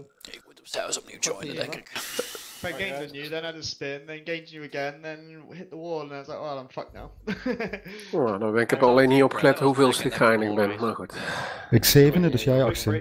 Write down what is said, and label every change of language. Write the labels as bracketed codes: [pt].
[nl] Ik moet hem zelfs opnieuw joinen, denk ik. [en] If I engaged on you, then I had a spin, then engaged you again, then hit the wall, and I was like, well, I'm fucked now. [nl] Oh, dan ben ik heb alleen niet opgelet hoeveel ik geëindigd ben, maar goed. Ik zevende, dus jij achtste.